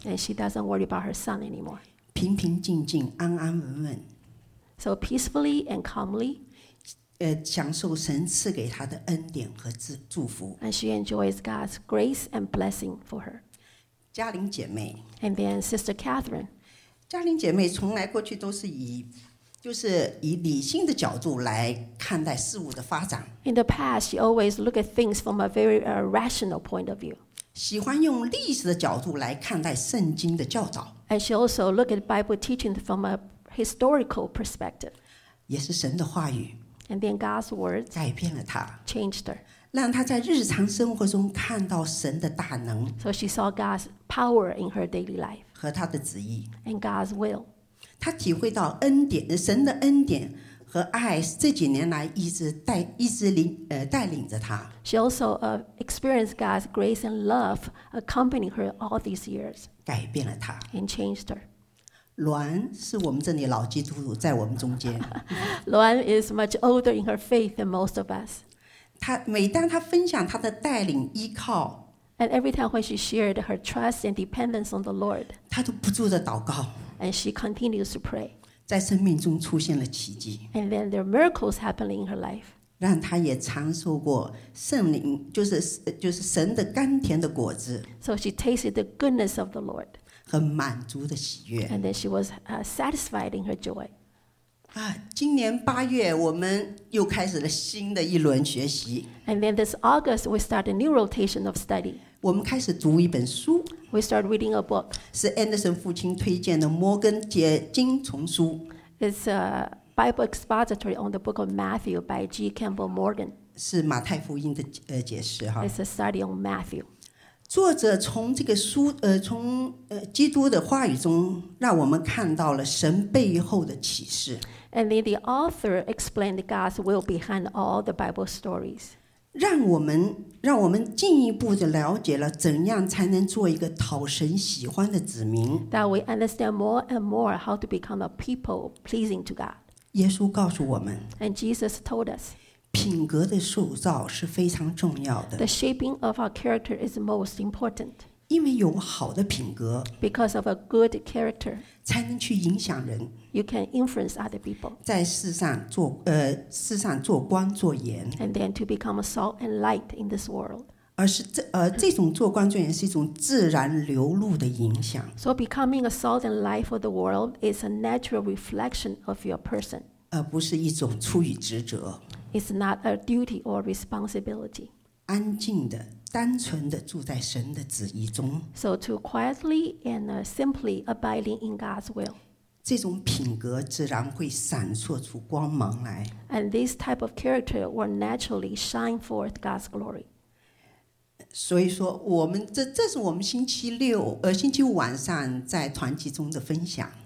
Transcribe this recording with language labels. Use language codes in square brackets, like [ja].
[en] And she doesn't worry about her son anymore [zh] 平平静静安安稳稳 [en] So peacefully and calmly [zh] 享受神赐给她的恩典和祝福 [en] And she enjoys God's grace and blessing for her [zh] 嘉玲姐妹 [en] And then Sister Catherine [zh] 嘉玲姐妹从来过去都是以就是以理性的角度来看待事物的发展。 [en] In the past, she always look at things from a very rational point of view. [zh] 喜欢用历史的角度来看待圣经的教导。 [en] And she also look at Bible teaching from a historical perspective. [zh] 也是神的话语。 [en] And then God's words [zh] 改变了她。 [en] Changed her. [zh] 让她在日常生活中看到神的大能。 [en] So she saw God's power in her daily life. [zh] 和他的旨意 [en] and God's will. [zh] 他体会到恩典，神的恩典和爱这几年来一直带领着他。 [en] She also experienced God's grace and love accompanying her all these years. [zh] 改变了他 [en] and changed her. [zh] 栾是我们这里老基督徒，在我们中间。 [en] 栾is much older in her faith than most of us. [zh] 他每当他分享他的带领依靠。 [en] And every time when she shared her trust and dependence on the Lord, [zh] 她都不住地祷告 [en] and she continues to pray. [zh] 在生命中出现了奇迹 [en] and then there are miracles happening in her life. [zh] 让他也尝受过圣灵，就是神的甘甜的果子。 [en] So she tasted the goodness of the Lord. [zh] 很满足的喜悦。 [en] And then she was satisfied in her joy. [zh] 啊，今年八月我们又开始了新的一轮学习。 [en] And then this August we start a new rotation of study. [zh] 我们开始读一本书。 [en] We start reading a book. [zh] 是 Anderson 父亲推荐的《摩根解经丛书》。 [en] It's a Bible expository on the book of Matthew by G. Campbell Morgan. [zh] 是马太福音的解释哈。 [en] It's a study on Matthew. [zh] 作者从这个书从基督的话语中让我们看到了神背后的启示。 [en] And then the author explained God's will behind all the Bible stories. [zh] 让我们进一步的了解了怎样才能做一个讨神喜欢的子民。 [en] That we understand more and more how to become a people pleasing to God. [zh] 耶稣告诉我们 [en] ，And Jesus told us， [zh] 品格的塑造是非常重要的。 [en] The shaping of our character is most important。 [zh] 因为有好的品格 [en] ，Because of a good character， [zh] 才能去影响人。 [en] You can influence other people。 [zh] 在世上做光做盐 [en] ，And then to become a salt and light in this world。 [zh] 这种做光做盐是一种自然流露的影响。 [en] So becoming a salt and light for the world is a natural reflection of your person. [zh] 不是一种出于职责。 [en] It's not a duty or responsibility. [zh] 安静的、单纯的住在神的旨意中。 [en] So to quietly and simply abiding in God's will. [zh] 这种品格自然会闪烁出光芒来。 [en] And this type of character will naturally shine forth God's glory. [zh] 所以说我们 这是我们星期六星期五晚上在团契中的分享。